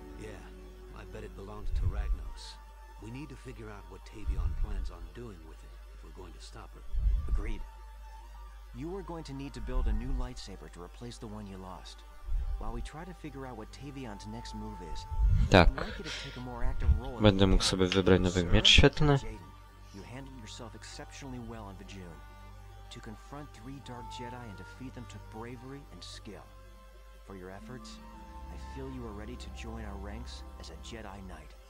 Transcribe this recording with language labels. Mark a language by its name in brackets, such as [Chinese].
[English] Yeah, I bet it belonged to Ragnos. We need to figure out what Tavion plans on doing with it if we're going to stop her. Agreed. You are going to need to build a new lightsaber to replace the one you lost. While we try to figure out what Tavion's next move is, tak. Take a more active role. [Polish] Będę mógł sobie wybrać nowy miecz świetlny. [English] You handled yourself exceptionally well on Vajun. To confront three dark Jedi and defeat them took bravery and skill. for your efforts. I feel you are ready to join our ranks as a Jedi Knight.